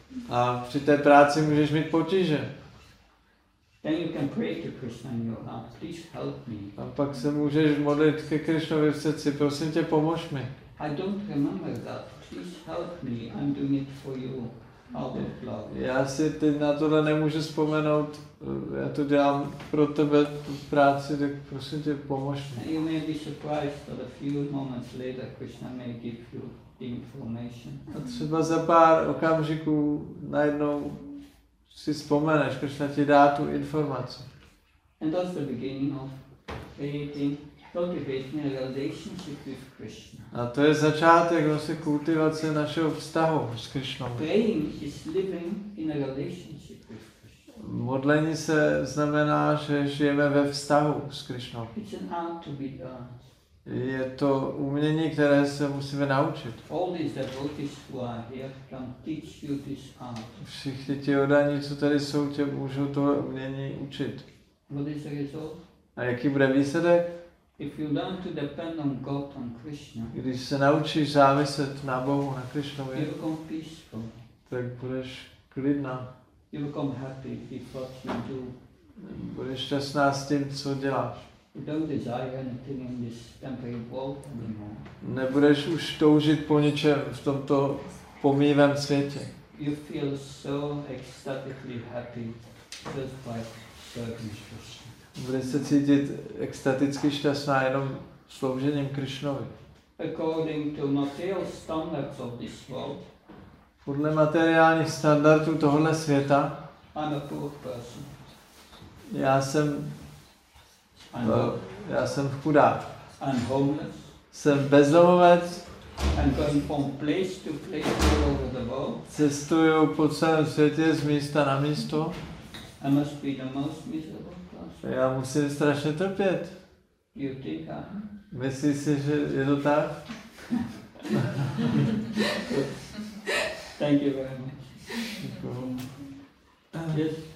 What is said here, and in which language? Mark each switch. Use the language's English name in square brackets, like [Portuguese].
[Czech] A při té práci můžeš mít potíže. [English] Then you can pray to Krishna in your heart. Please help me. [Czech] A pak se můžeš modlit ke Krishnovi v srdci. Prosím tě, pomož mi. [English] I don't remember that. Please help me. I'm doing it for you. [Czech] Já si teď na tohle nemůžu vzpomenout, já to dělám pro tebe tu práci, tak prosím tě, pomož mi. [English] You may be surprised that a few moments later Krishna may give you information. [Czech] A třeba za pár okamžiků najednou si vzpomeneš, Krishna ti dá tu informaci. [English] And that's the beginning of creating cultivating relationship with Krishna. [Czech] A to je začátek vlastně kultivace našeho vztahu s Krishnou. [English] Praying is living in a relationship with Krishna. [Czech] Modlení se znamená, že žijeme ve vztahu s Krishnou. [English] It's an art to be done. [Czech] Je to umění, které se musíme naučit. [English] All these devotees who are here can teach you this art. [Czech] Všichni ti oddaní, co tady jsou, tě můžou to umění učit. [English] What is the result? [Czech] A jaký bude výsledek? [English] If you learn to depend on God and Krishna, [Czech] když se naučíš záviset na Bohu, na Krishnovi, [English] you become peaceful. [Czech] Tak budeš klidná. [English] You become happy with what you do. [Czech] Budeš šťastná s tím, co děláš. [English] You don't desire anything in this temporary world anymore. [Czech] Nebudeš už toužit po ničem v tomto pomývém světě. [English] You feel so ecstatically happy just by serving Krishna. [Czech] Bude se cítit extaticky šťastná jenom sloužením Krishnovi. [English] According to material standards of this world, [Czech] podle materiálních standardů tohoto světa, [English] I'm a poor person. [Czech] Já jsem chudák. [English] I'm homeless. [Czech] Jsem bezdomovec. [English] I'm going from place to place all over the world. [Czech] Cestuju po celém světě z místa na místo. [English] I must be the most miserable. [Czech] Já musím strašně trpět. [English] You think, [Czech] Myslíš si, že je to tak? [English] Thank you very much. Yes.